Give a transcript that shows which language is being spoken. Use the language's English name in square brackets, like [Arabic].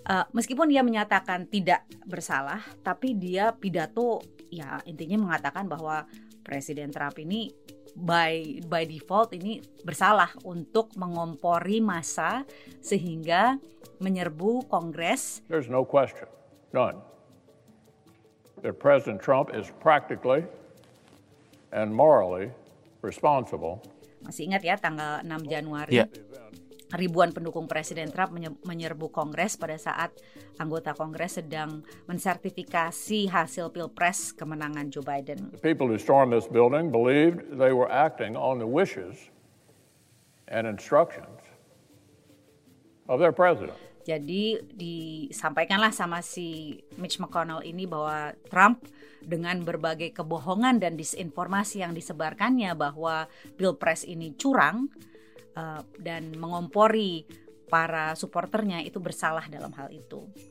[Indonesian] meskipun dia menyatakan tidak bersalah, tapi dia pidato ya intinya mengatakan bahwa Presiden Trump ini by default ini bersalah untuk mengompori massa sehingga menyerbu Kongres. [English] There's no question, none, that President Trump is practically and morally responsible. [Indonesian] Masih ingat ya tanggal 6 Januari? Yeah. Ribuan pendukung Presiden Trump menyerbu Kongres pada saat anggota Kongres sedang mensertifikasi hasil pilpres kemenangan Joe Biden. [English] The people who stormed this building believed they were acting on the wishes and instructions of their president. [Indonesian] Jadi disampaikanlah sama si Mitch McConnell ini bahwa Trump dengan berbagai kebohongan dan disinformasi yang disebarkannya bahwa pilpres ini curang, dan mengompori para supporternya itu bersalah dalam hal itu.